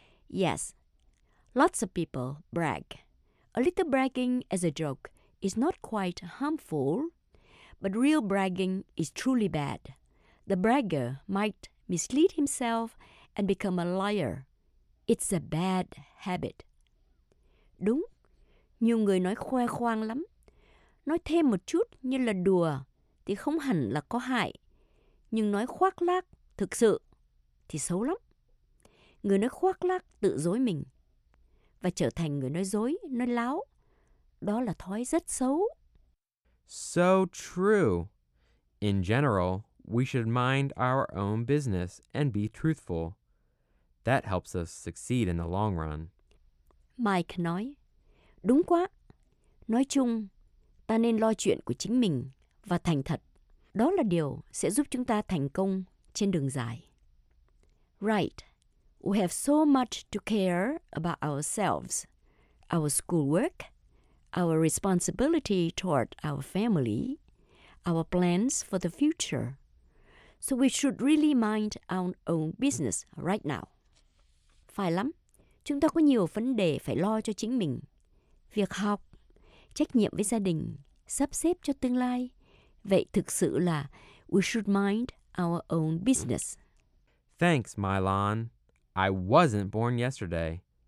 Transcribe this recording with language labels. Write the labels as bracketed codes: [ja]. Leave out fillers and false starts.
[en] Yes, lots of people brag. A little bragging as a joke is not quite harmful, but real bragging is truly bad. The bragger might mislead himself and become a liar. It's a bad habit. [vi] Đúng, nhiều người nói khoe khoang lắm. Nói thêm một chút như là đùa thì không hẳn là có hại. Nhưng nói khoác lác thực sự thì xấu lắm. Người nói khoác lác tự dối mình và trở thành người nói dối, nói láo. Đó là thói rất xấu. [en] So true. In general, we should mind our own business and be truthful. That helps us succeed in the long run. [vi] Mike nói, đúng quá. Nói chung, ta nên lo chuyện của chính mình và thành thật. Đó là điều sẽ giúp chúng ta thành công trên đường dài. [en] Right. We have so much to care about ourselves, our schoolwork, our responsibility toward our family, our plans for the future. So we should really mind our own business right now. [vi] Phải lắm. Chúng ta có nhiều vấn đề phải lo cho chính mình. Việc học, trách nhiệm với gia đình, sắp xếp cho tương lai. Vậy thực sự là [en] we should mind our own business. Thanks, Mylan. I wasn't born yesterday.